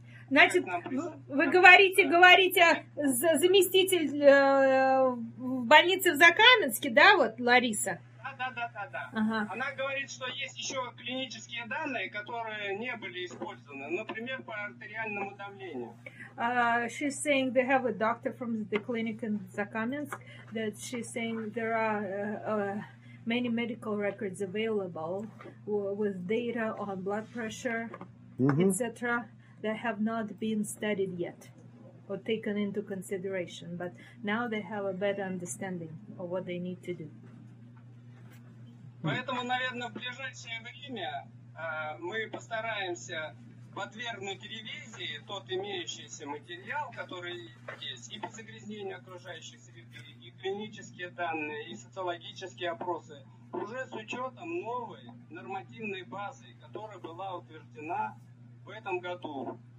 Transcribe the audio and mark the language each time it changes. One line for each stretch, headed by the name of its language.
Russian: Значит, вы говорите заместитель в больнице в Закаменске, да, вот, Лариса? Да. Ага. Она говорит, что есть еще клинические данные, которые не были использованы, например, по артериальному давлению.
English: She's saying they have a doctor from the clinic in Закаменск, that she's saying there are many medical records available with data on blood pressure, etc., that have not been studied yet or taken into consideration, but now they have a better understanding of what they need to do.
Russian: Поэтому, наверное, в ближайшее время мы постараемся подвергнуть ревизии тот имеющийся материал, который есть, и по загрязнению окружающей среды, и клинические данные, и социологические опросы, уже с учетом новой нормативной базы, которая была утверждена в этом году.